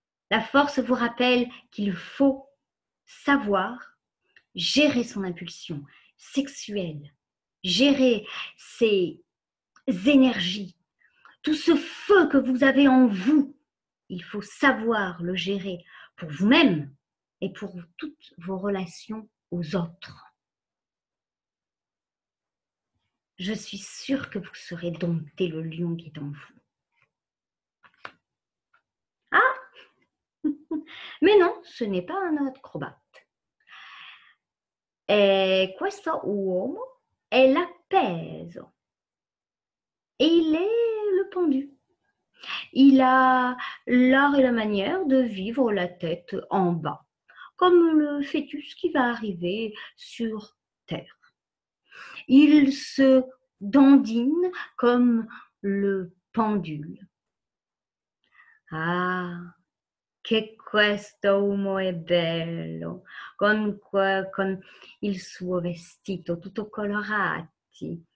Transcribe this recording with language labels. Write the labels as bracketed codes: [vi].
[fr] La force vous rappelle qu'il faut savoir gérer son impulsion sexuelle, gérer ses énergies, tout ce feu que vous avez en vous, il faut savoir le gérer pour vous-même et pour toutes vos relations aux autres. Je suis sûre que vous serez dompté le lion qui est en vous. Ah ! Mais non, ce n'est pas un acrobate. Et [it] questo uomo è l'appeso. [fr] Et il est le pendu. Il a l'art et la manière de vivre la tête en bas, comme le fœtus qui va arriver sur terre. Il se dandine comme le pendule. [it] Ah, que questo uomo è bello, con il suo vestito tutto colorati.